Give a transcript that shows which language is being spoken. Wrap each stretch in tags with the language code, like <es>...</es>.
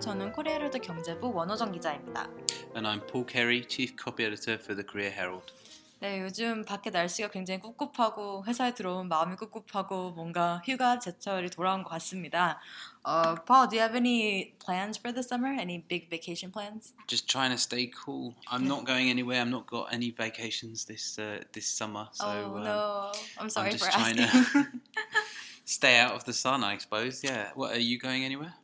<ko>저는 코리아월드 경제부 원호정 기자입니다.</ko> <en>And I'm Paul Carey, Chief Copy Editor for the Korea Herald.</en> <ko>네, 요즘 밖에 날씨가 굉장히 꿉꿉하고 회사에 들어온 마음이 꿉꿉하고 뭔가 휴가 제철이 돌아온 것 같습니다.</ko> <en>Paul, do you have any plans for the summer? Any big vacation plans? Just trying to stay cool. I'm not going anywhere. I'm not got any vacations this summer. So, no. I'm sorry I'm just for asking. Stay out of the sun, I suppose. Yeah. What, are you going anywhere?</en>